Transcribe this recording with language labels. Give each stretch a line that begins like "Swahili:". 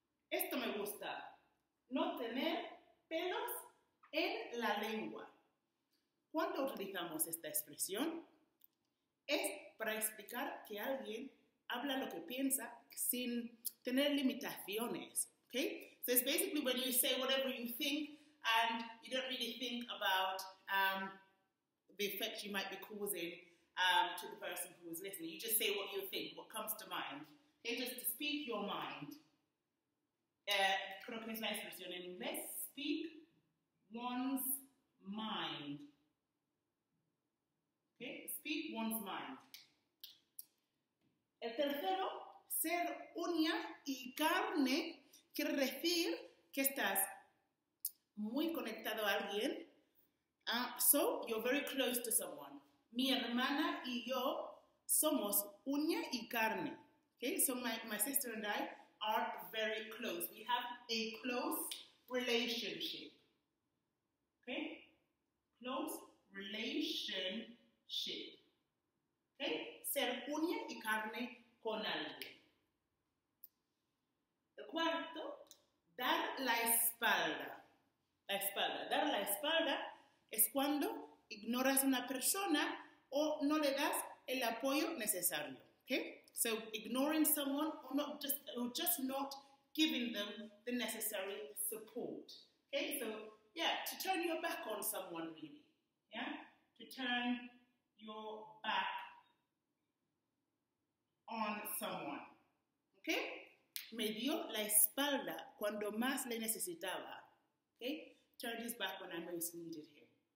Spanish: Esto me gusta, no tener pelos en la lengua. ¿Cuándo utilizamos esta expresión? Es para explicar que alguien habla lo que piensa sin tener limitaciones, okay?
English: So it's basically when you say whatever you think and you don't really think about the effect you might be causing to the person who is listening. You just say what you think, what comes to mind. Okay, just to speak your mind.
Spanish: Creo que es la expresión en inglés,
English: speak one's mind. Okay? Speak one's mind.
Spanish: El tercero, ser uña y carne, quiere decir que estás muy conectado a alguien.
English: So, you're very close to someone.
Spanish: Mi hermana y yo somos uña y carne. Okay?
English: So, my sister and I are very close. We have a close relationship. Okay? Close relationship. Okay?
Spanish: Ser uña y carne con alguien. El cuarto, dar la espalda. La espalda. Dar la espalda es cuando ignoras a una persona o no le das el apoyo necesario. Okay?
English: So, ignoring someone or just not giving them the necessary support. Okay, so, yeah, to turn your back on someone, really. Yeah, to turn your back on someone.
Spanish: Okay, me dio la espalda cuando más le necesitaba.
English: Okay, turn his back when I most needed him.